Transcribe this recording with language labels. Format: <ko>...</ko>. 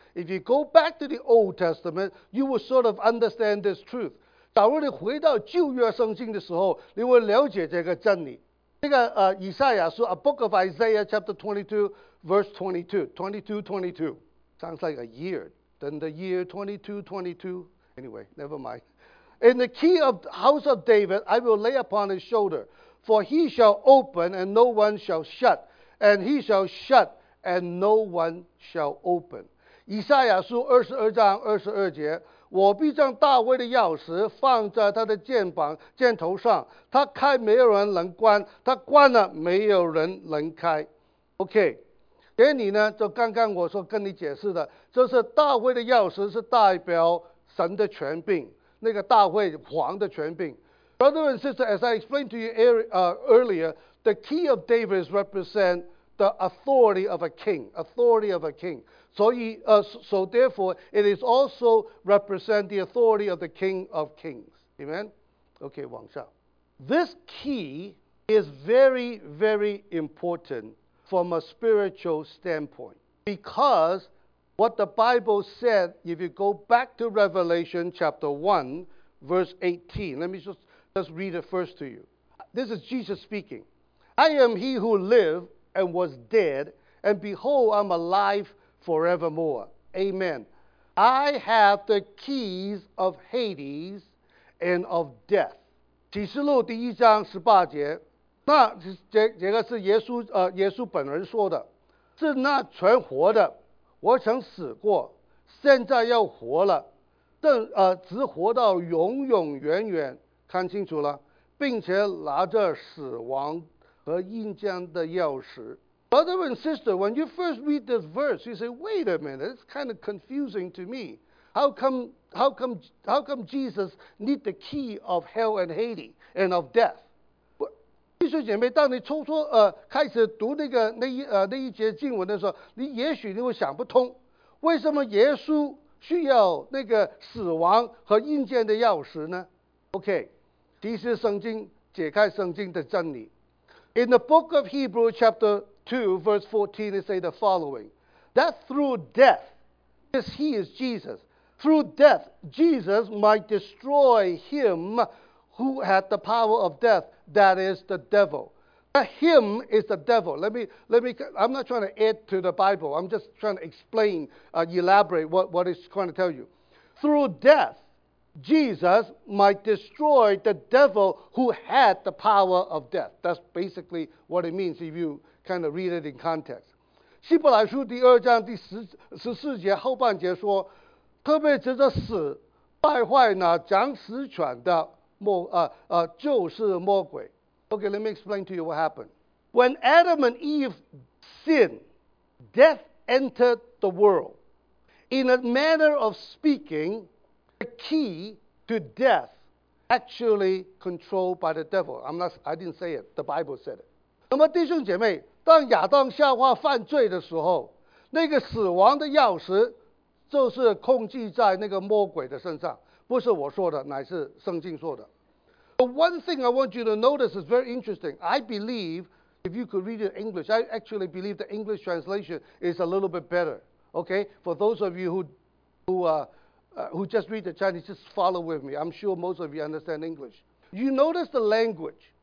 <en>If you go back to the Old Testament, you will sort of understand this truth.</en> <zh>假如你回到旧约圣经的时候，你会了解这个真理。这个以赛亚书</zh> <en>，A Book of Isaiah, Chapter 22, Verse 22. Sounds like a year. Then the year 22. Anyway, never mind. In the key of the house of David, I will lay upon his shoulder, for he shall open and no one shall shut, and he shall shut and no one shall open.</en> <zh>以赛亚书22:22，我必将大卫的钥匙放在他的箭头上，他开没有人能关，他关了没有人能开。 OK， 给你呢，就刚刚我说跟你解释的，就是大卫的钥匙是代表神的权柄，那个大卫皇的权柄。</zh> <en>Brother and sister, as I explained to you earlier, the key of David is represent the authority of a king, authority of a king. So therefore, it is also represent the authority of the King of Kings. Amen? Okay,</en> <zh>往下.</zh> <en>This key is very, very important from a spiritual standpoint. Because what the Bible said, if you go back to Revelation chapter 1, verse 18, let me just read it first to you. This is Jesus speaking. I am he who lived and was dead, and behold, I'm alive forevermore. Amen. I have the keys of Hades and of death.</en> <zh>启示录第一章十八节，那这个是耶稣本人说的，是那存活的，我曾死过，现在要活了，直活到永永远远，看清楚了，并且拿着死亡和阴间的钥匙。</zh> <en>Brother and sister, when you first read this verse, you say, wait a minute, it's kind of confusing to me. How come Jesus need the key of hell and Hades and of death?</en> <zh>弟兄姐妹，当你开始读那一节经文的时候，你也许你会想不通，为什么耶稣需要那个死亡和阴间的钥匙呢？ OK, 其实圣经解开圣经的真理。</zh> <en>In the book of Hebrews chapter 2 verse 14, it says the following, that through death, because he is Jesus, through death, Jesus might destroy him who had the power of death, that is the devil. That him is the devil. I'm not trying to add to the Bible. I'm just trying to explain, elaborate what it's trying to tell you. Through death, Jesus might destroy the devil who had the power of death. That's basically what it means if you kind of read it in context.</en> <zh>希伯来书第二章第十四节后半节说，特别指着死败坏那掌死权的就是魔鬼。</zh> <en>Okay, let me explain to you what happened. When Adam and Eve sinned, death entered the world. In a manner of speaking, the key to death actually controlled by the devil. I didn't say it, the Bible said it.</en> <zh>那么弟兄姐妹，当亚当夏娃犯罪的时候，那个死亡的钥匙就是控制在那个魔鬼的身上，不是我说的，乃是圣经说的。</zh> <en>But one thing I want you to notice is very interesting. I believe, if you could read it in English, I actually believe the English translation is a little bit better. Okay? For those of you who just read the Chinese, just follow with me. I'm sure most of you understand English. You notice the language.</en>